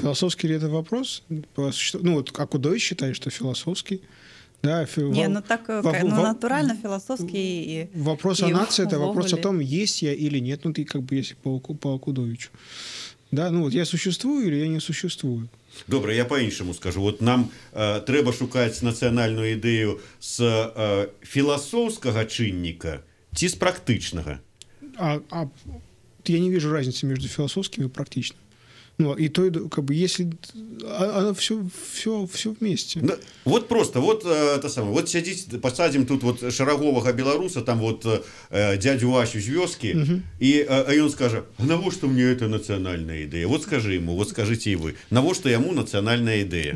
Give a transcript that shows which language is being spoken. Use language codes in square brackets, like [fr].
[ru] Философский ли это вопрос? Ну, вот как Удой считает, что философский. Да, натурально философский. Вопрос о нации — это вопрос о том, есть я или нет. Ну, ты как бы если по Акудовичу. Да, ну вот я существую или я не существую. [uk] Добре, я по-іншому скажу. От нам треба шукати національну ідею з філософського чинника чи з практичного? А я не бачу різниці між філософським і практичним. [ru] Ну, и то, и как бы, если... Оно все, все, все вместе. Ну, вот просто, вот это самое. Вот сидите, посадим тут вот шарагового белоруса, там вот дядю Васю Звездки, и он скажет, а на во что мне эта национальная идея? Вот скажи ему, вот скажите и вы. На во что ему национальная идея?